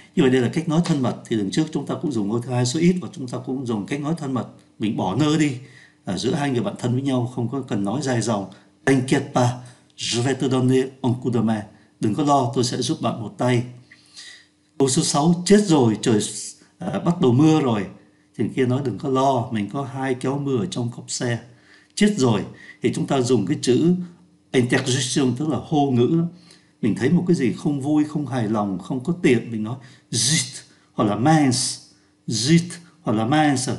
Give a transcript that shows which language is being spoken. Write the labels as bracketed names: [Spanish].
[Vietnamese] Như vậy đây là cách nói thân mật, thì lần trước chúng ta cũng dùng ngôi thứ hai số ít và chúng ta cũng dùng cách nói thân mật, mình bỏ nơ đi, giữa hai người bạn thân với nhau không có cần nói dài dòng. [French] T'inquiète pas, je vais te donner un coup de main. [Vietnamese] Đừng có lo, tôi sẽ giúp bạn một tay. Câu số 6, chết rồi, trời bắt đầu mưa rồi. Thì kia nói đừng có lo, mình có hai kéo mưa ở trong cốp xe. Chết rồi, thì chúng ta dùng cái chữ interjection, tức là hô ngữ. Mình thấy một cái gì không vui, không hài lòng, không có tiện, mình nói zit hoặc là mans, zit hoặc là mans.